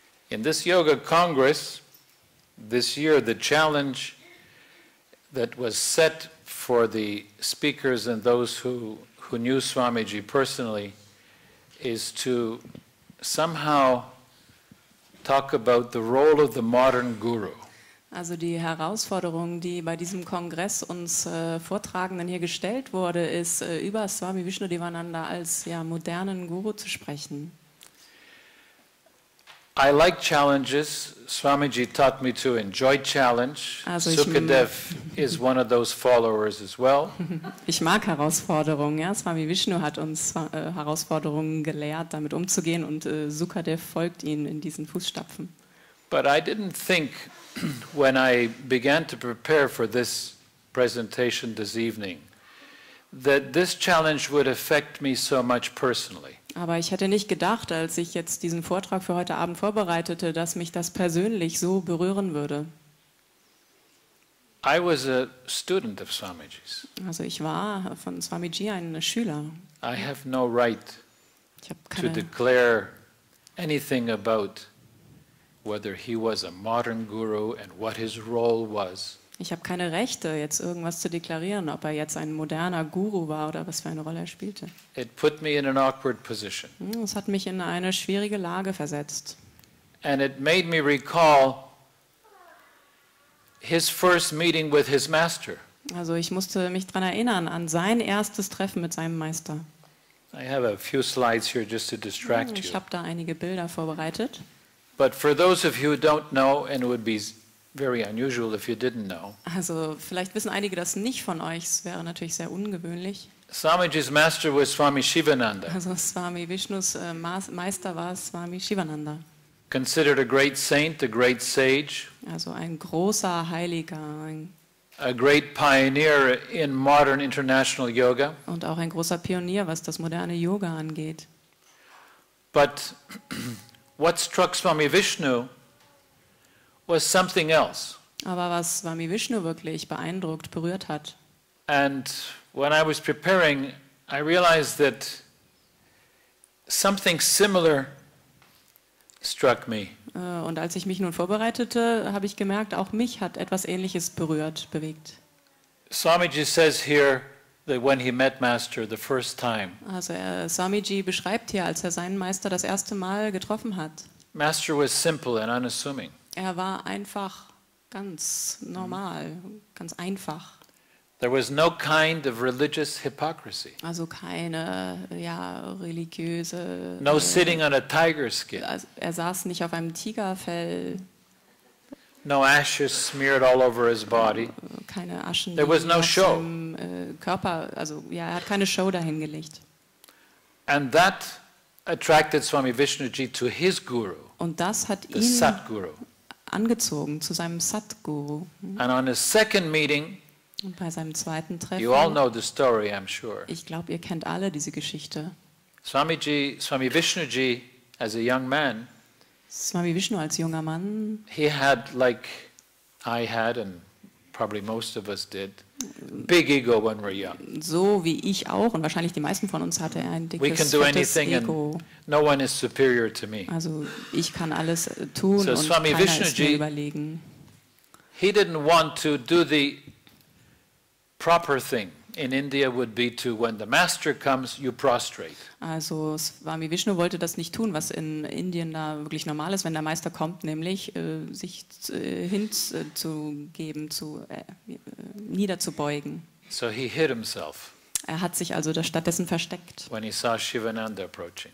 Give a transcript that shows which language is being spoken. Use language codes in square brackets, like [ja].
[en] In this Yoga Congress, this year, the challenge that was set for the speakers and those who knew Swamiji personally is to somehow talk about the role of the modern guru. [de] Also die Herausforderung, die bei diesem Kongress uns Vortragenden hier gestellt wurde, ist über Swami Vishnu Devananda als ja modernen Guru zu sprechen. [en] I like challenges. Swamiji taught me to enjoy challenge. [de] Also [en] Sukadev is one of those followers as well. [de] Ich mag Herausforderungen. Ja. Swami Vishnu hat uns Herausforderungen gelehrt, damit umzugehen, und Sukadev folgt ihnen in diesen Fußstapfen. [en] But I didn't think, when I began to prepare for this presentation this evening, that this challenge would affect me so much personally. [de] Aber ich hätte nicht gedacht, als ich jetzt diesen Vortrag für heute Abend vorbereitete, dass mich das persönlich so berühren würde. [en] I was a student of Swamiji's. [de] Also ich war von Swamiji ein Schüler. [en] I have no right to declare anything about whether he was a modern guru and what his role was. [de] Ich habe keine Rechte, jetzt irgendwas zu deklarieren, ob er jetzt ein moderner Guru war oder was für eine Rolle er spielte. [en] It put me in an awkward position. [de] Es hat mich in eine schwierige Lage versetzt. [en] And it made me recall his first meeting with his master. [de] Also ich musste mich daran erinnern, an sein erstes Treffen mit seinem Meister. [en] I have a few slides here just to distract you. [de] Ich habe da einige Bilder vorbereitet. [en] But for those of you who don't know, and it would be very unusual if you didn't know. [de] Also vielleicht wissen einige das nicht von euch, es wäre natürlich sehr ungewöhnlich. [en] Swamiji's master was Swami Shivananda. [de] Also Swami Vishnus Meister war Swami Shivananda. [en] Considered a great saint, a great sage. [de] Also ein großer Heiliger. [en] A great pioneer in modern international yoga. [de] Und auch ein großer Pionier, was das moderne Yoga angeht. [en] But what struck Swami Vishnu was something else. [de] Aber was Swami Vishnu wirklich beeindruckt, berührt hat. [en] And when I was preparing, I realized that something similar struck me. [de] Und als ich mich nun vorbereitete, habe ich gemerkt, auch mich hat etwas Ähnliches berührt, bewegt. [en] Swamiji says here that when he met Master the first time. [de] Also Swamiji beschreibt hier, als er seinen Meister das erste Mal getroffen hat. [en] Master was simple and unassuming. [de] Er war einfach ganz normal, ganz einfach. [en] There was no kind of religious hypocrisy. [de] Also keine ja religiöse. [en] No sitting on a tiger skin. [de] Er saß nicht auf einem Tigerfell. [en] No ashes smeared all over his body. [de] Keine Aschen. [en] There was no show. [de] Körper, also ja, er hat keine Show dahingelegt. [en] And that attracted Swami Vishnuji to his guru. [de] Und das hat ihn Satguru angezogen zu seinem Satguru. [en] And on his second meeting, [de] und bei seinem zweiten Treffen, [en] you all know the story, I'm sure. [de] Ich glaube, ihr kennt alle diese Geschichte. [en] Swami Vishnuji as a young man, [de] Swami Vishnu als junger Mann, [en] he had like I had and probably most of us did, big ego when we're young. [de] So wie ich auch und wahrscheinlich die meisten von uns hatte er ein dickes, [en] we can do anything [de] Ego. [en] No one is superior to me. [de] Also ich kann alles tun [en] so [de] und Swami keiner Vishnuji, ist mir überlegen. [en] He didn't want to do the proper thing. In India would be to when the master comes you prostrate. [de] Also Swami Vishnu wollte das nicht tun, was in Indien da wirklich normal ist, wenn der Meister kommt, nämlich sich hinzugeben, niederzubeugen. [en] So he hid himself. [de] Er hat sich also stattdessen versteckt. [en] When he saw Shivananda approaching.